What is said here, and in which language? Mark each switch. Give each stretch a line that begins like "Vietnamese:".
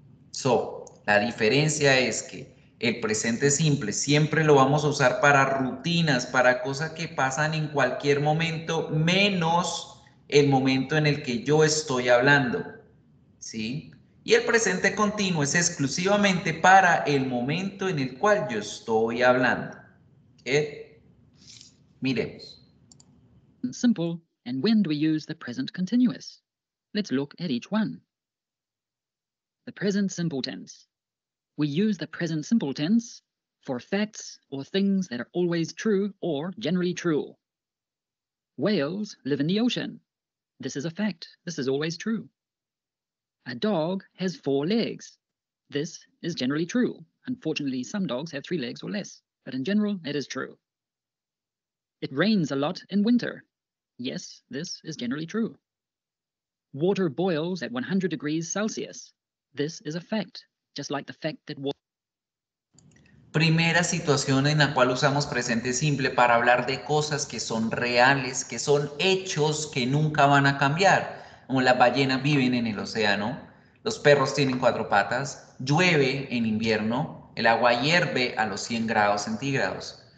Spanish: So, la diferencia es que el presente simple siempre lo vamos a usar para rutinas, para cosas que pasan en cualquier momento, menos el momento en el que yo estoy hablando, ¿sí? Y el presente continuo es exclusivamente para el momento en el cual yo estoy hablando. ¿Qué? Miremos.
English: Simple, and when do we use the present continuous? Let's look at each one. The present simple tense. We use the present simple tense for facts or things that are always true or generally true. Whales live in the ocean. This is a fact. This is always true. A dog has four legs. This is generally true. Unfortunately, some dogs have three legs or less, but in general, it is true. It rains a lot in winter. Yes, this is generally true. Water boils at 100 degrees Celsius. This is a fact, just like the fact that water.
Spanish: Primera situación en la cual usamos presente simple para hablar de cosas que son reales, que son hechos que nunca van a cambiar. Como las ballenas viven en el océano, los perros tienen cuatro patas, llueve en invierno, el agua hierve a los 100 grados centígrados.